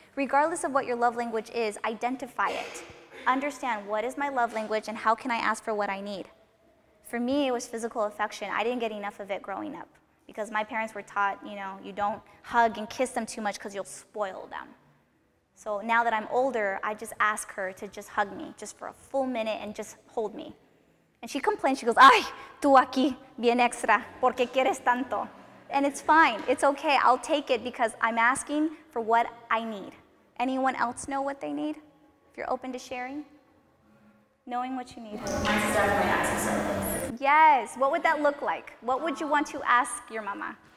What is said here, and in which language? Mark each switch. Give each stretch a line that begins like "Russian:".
English: Regardless of what your love language is, identify it. Understand what is my love language and how can I ask for what I need. For me, it was physical affection. I didn't get enough of it growing up because my parents were taught, you don't hug and kiss them too much because you'll spoil them. So now that I'm older, I just ask her to just hug me just for a full minute and just hold me. And she complains. She goes,
Spanish: ay, tú aquí, bien extra, ¿por qué quieres tanto?
English: And it's fine. It's okay. I'll take it because I'm asking for what I need. Anyone else know what they need? If you're open to sharing? Knowing what you need. I definitely ask for this. Yes. What would that look like? What would you want to ask your mama?